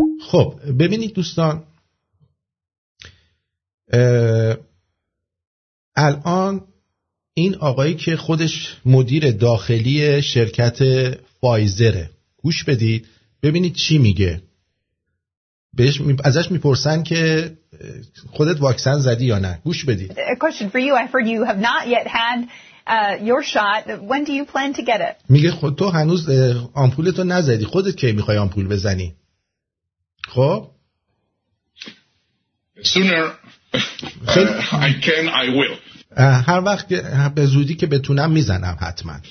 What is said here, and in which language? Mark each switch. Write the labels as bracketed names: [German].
[Persian] خب ببینید دوستان، الان این آقایی که خودش مدیر داخلی شرکت فایزره، گوش بدید ببینید چی میگه. ازش میپرسن که خودت واکسن زدی یا نه، گوش بدید. [English] A question for you. I've heard you have not yet had your shot. When do you plan to get it? [Persian] میگه خود تو هنوز آمپول تو نزدی. خودت کی میخوای آمپول بزنی؟ خب؟ [English] Sooner I can, I will. [Persian] هر وقت به زودی که بتونم میزنم حتما.